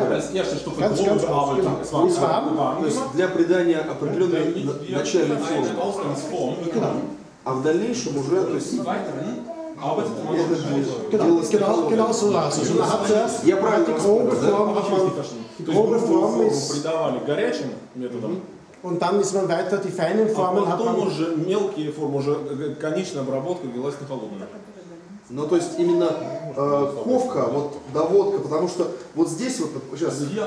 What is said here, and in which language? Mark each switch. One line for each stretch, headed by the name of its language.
Russian: То есть для придания определенной начальной формы. А в дальнейшем уже. Я правильно понял, да?
German: Grobe Formen ist...
Russian: придавали горячим методом.
German: Und dann ist man weiter, die feinen Formen hat man...
Russian: уже мелкие формы, уже конечная обработка велась на холодную. Ну, то есть именно ковка, вот доводка, потому что вот здесь вот сейчас...